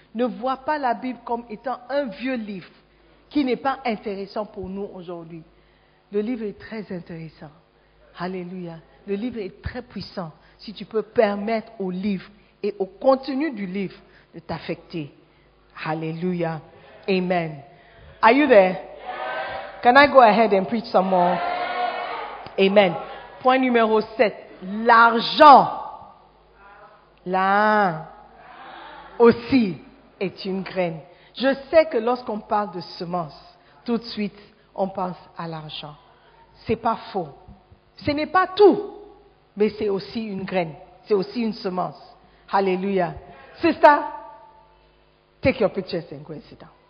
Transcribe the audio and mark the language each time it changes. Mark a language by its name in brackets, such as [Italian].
[French] Ne vois pas la Bible comme étant un vieux livre qui n'est pas intéressant pour nous aujourd'hui. Le livre est très intéressant. Alléluia. Le livre est très puissant si tu peux permettre au livre et au contenu du livre de t'affecter. [English] Alléluia. Amen. Are you there? Can I go ahead and preach some more? [French] Amen. Point numéro 7. L'argent. Aussi est une graine. Je sais que lorsqu'on parle de semence, tout de suite, on pense à l'argent. Ce n'est pas faux. Ce n'est pas tout, mais c'est aussi une graine. C'est aussi une semence. Alléluia. [English] Sister, take your pictures and go and sit down.